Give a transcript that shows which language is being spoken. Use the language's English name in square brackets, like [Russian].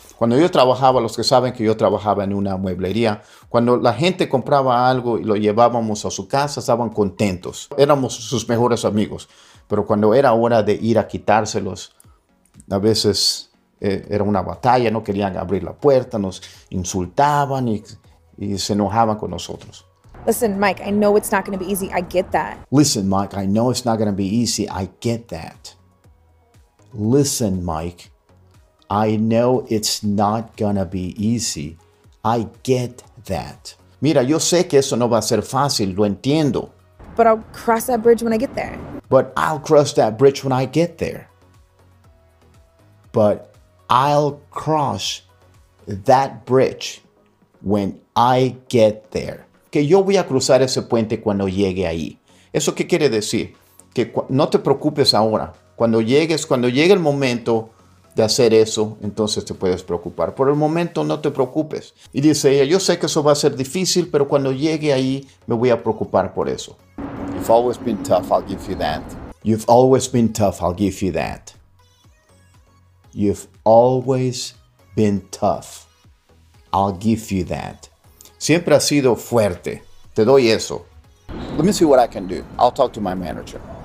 [Spanish] Cuando yo trabajaba, los que saben que yo trabajaba en una mueblería, cuando la gente compraba algo y lo llevábamos a su casa, estaban contentos. Éramos sus mejores amigos. Pero cuando era hora de ir a quitárselos, a veces era una batalla, no querían abrir la puerta, nos insultaban y se enojaban con nosotros. [English] Listen, Mike, I know it's not going to be easy. I get that. Listen, Mike, I know it's not going to be easy. I get that. Listen, Mike. I know it's not gonna be easy. I get that. [Spanish] Mira, yo sé que eso no va a ser fácil. Lo entiendo. [English] But I'll cross that bridge when I get there. But I'll cross that bridge when I get there. But I'll cross that bridge when I get there. [Spanish] Que yo voy a cruzar ese puente cuando llegue ahí. ¿Eso qué quiere decir? Que no te preocupes ahora. Cuando llegue el momento de hacer eso, entonces te puedes preocupar. Por el momento no te preocupes. Y dice ella, yo sé que eso va a ser difícil, pero cuando llegue ahí me voy a preocupar por eso. [English] You've always been tough, I'll give you that. You've always been tough, I'll give you that. You've always been tough, I'll give you that. [Spanish] Siempre has sido fuerte, te doy eso. [English] Let me see what I can do, I'll talk to my manager.